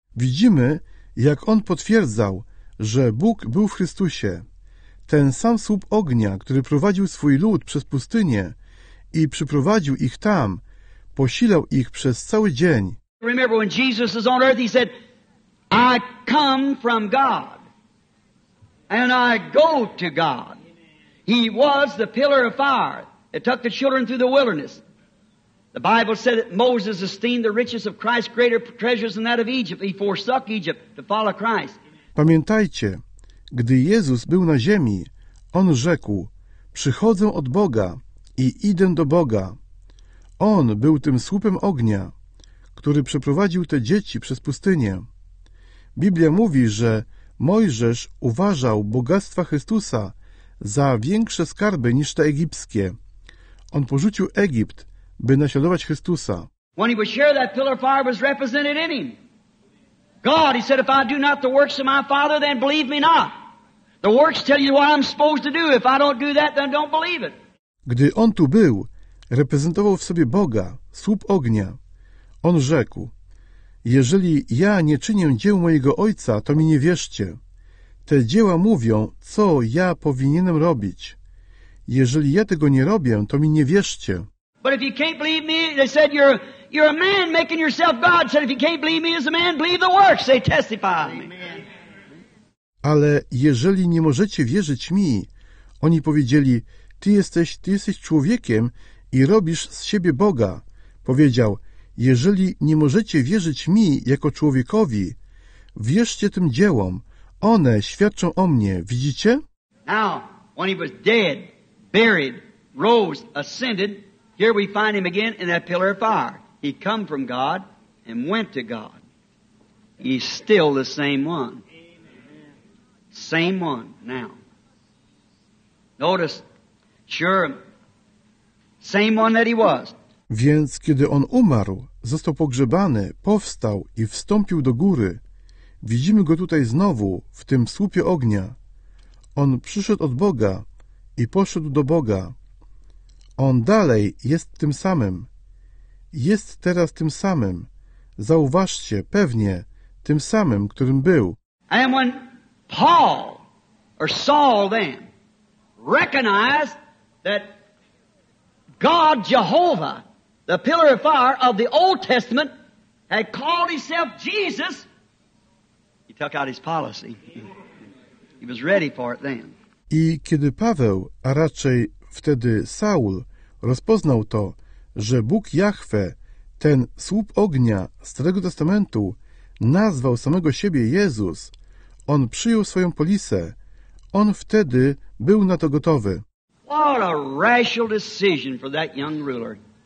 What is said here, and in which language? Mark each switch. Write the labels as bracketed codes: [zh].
[pl] Widzimy, jak on potwierdzał, że Bóg był w Chrystusie. Ten sam słup ognia, który prowadził swój lud przez pustynię i przyprowadził ich tam, posilał ich przez cały dzień. [en] Remember when Jesus was on earth, he said, I come from God and I go to God. He was the pillar of fire that took the children through the wilderness. The Bible said that Moses esteemed the riches of Christ greater treasures than that of Egypt. He forsook Egypt to follow Christ. [pl] Pamiętajcie, gdy Jezus był na ziemi, on rzekł, przychodzę od Boga i idę do Boga. On był tym słupem ognia, który przeprowadził te dzieci przez pustynię. Biblia mówi, że Mojżesz uważał bogactwa Chrystusa za większe skarby niż te egipskie. On porzucił Egipt, by naśladować Chrystusa. [en] When he was sure that pillar of fire was represented in him. God, he said, if I do not the works of my Father, then believe me not. The works tell you what I'm supposed to do. If I don't do that, then don't believe it. [pl] Gdy on tu był, reprezentował w sobie Boga, słup ognia. On rzekł, jeżeli ja nie czynię dzieł mojego Ojca, to mi nie wierzcie. Te dzieła mówią, co ja powinienem robić. Jeżeli ja tego nie robię, to mi nie wierzcie. [en] But if you can't believe me, they said, you're a man making yourself God. Said, if you can't believe me as a man, believe the works. They testify on me. [pl] Ale jeżeli nie możecie wierzyć mi, oni powiedzieli, ty jesteś człowiekiem i robisz z siebie Boga. Powiedział, jeżeli nie możecie wierzyć mi jako człowiekowi, wierzcie tym dziełom. One świadczą o mnie. Widzicie? [en] Now, when he was dead, buried, rose, ascended, here we find him again in that pillar of fire. He come from God and went to God. He's still the same one. Same one now. Notice, sure, same one that he was. [pl] Więc kiedy on umarł, został pogrzebany, powstał i wstąpił do góry. Widzimy go tutaj znowu, w tym słupie ognia. On przyszedł od Boga i poszedł do Boga. On dalej jest tym samym. Jest teraz tym samym. Zauważcie, pewnie, tym samym, którym był. [en] Paul, or Saul then, recognized that God, Jehovah, the pillar of fire of the Old Testament had called himself Jesus, he took out his policy. He was ready for it then. [pl] I kiedy Paweł, a raczej wtedy Saul, rozpoznał to, że Bóg Jahwe, ten słup ognia Starego Testamentu, nazwał samego siebie Jezus, on przyjął swoją polisę. On wtedy był na to gotowy. [en] What a rational decision for that young ruler.